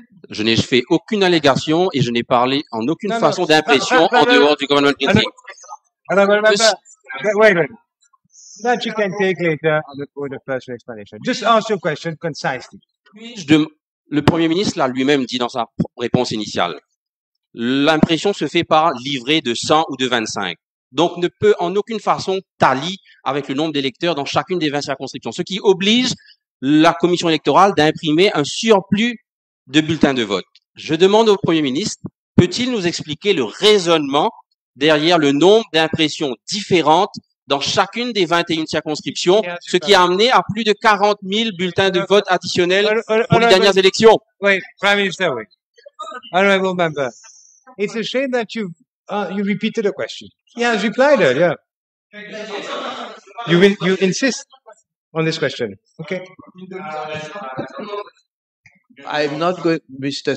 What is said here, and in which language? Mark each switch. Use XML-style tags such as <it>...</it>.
<fr>Je n'ai fait aucune allégation et je n'ai parlé en aucune façon d'impression en dehors du gouvernement politique.</fr> <en>Honorable Member, wait. That you can take later on the court of first explanation. Just answer your question concisely.</en> <fr>Le Premier ministre l'a lui-même dit dans sa réponse initiale. L'impression se fait par livret de 100 ou de 25. Donc ne peut en aucune façon tally avec le nombre d'électeurs dans chacune des 20 circonscriptions. Ce qui oblige la commission électorale d'imprimer un surplus de bulletins de vote. Je demande au Premier ministre, peut-il nous expliquer le raisonnement derrière le nombre d'impressions différentes dans chacune des 21 circonscriptions, ce qui a amené à plus de 40 000 bulletins de vote additionnels pour les dernières élections.</fr> <en>Oui, Prime Minister, oui. Honorable Member, it's a shame that you repeated a question. Yeah, as you replied earlier. Yeah. You insist on this question. Okay. Mr.</en>